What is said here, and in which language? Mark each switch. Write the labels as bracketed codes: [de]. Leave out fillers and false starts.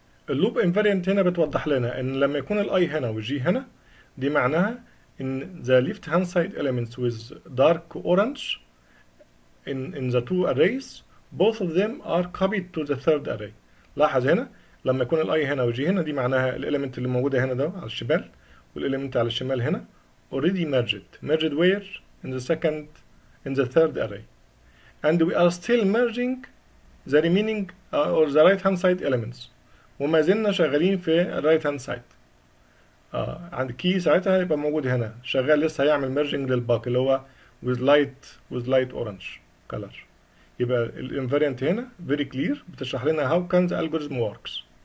[ar] اللوب invariant هنا بتوضح لنا ان لما يكون الاي هنا والجي هنا، دي معناها ان [en] the left hand side elements with dark orange in the two arrays both of them are copied to the third array. [ar] لاحظ هنا لما يكون الاي هنا والجي هنا، دي معناها الاليمنت اللي موجودة هنا ده على الشمال والاليمنت على الشمال هنا [en] already merged. Merged where? In the second, in the third array. And we are still merging the remaining or the right hand side elements. [ar] وما زلنا شغالين في right hand side. عند key ساعتها هيبقى موجود هنا. شغال لسه هيعمل merging للباقي اللي هو [en] with light orange color. [ar] يبقى ال invariant هنا [en] very clear [ar] بتشرح لنا [en] how can the algorithm works.